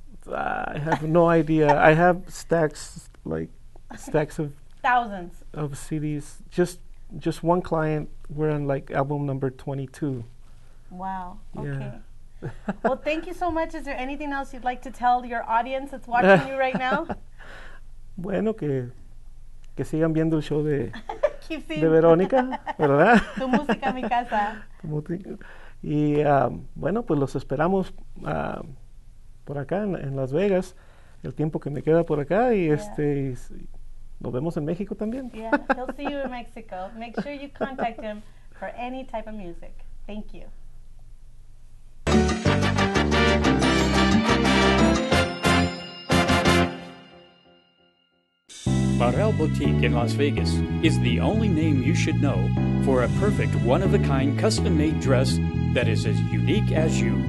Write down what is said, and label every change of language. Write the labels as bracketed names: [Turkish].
[English] I have no idea. I have stacks, like stacks of thousands of CDs. Just one client. We're on like album number 22. Wow. Yeah. Okay. Well, thank you so much. Is there anything else you'd like to tell your audience that's watching you right now? [Spanish] Bueno, que sigan viendo el show de Veronica, ¿verdad? Tu música en mi casa. Tu música. Y bueno, pues los esperamos por acá en Las Vegas, el tiempo que me queda por acá, y nos vemos en México también. [English] Yeah, he'll see you in Mexico. Make sure you contact him for any type of music. Thank you. Barrel Boutique in Las Vegas is the only name you should know for a perfect one-of-a-kind custom-made dress that is as unique as you.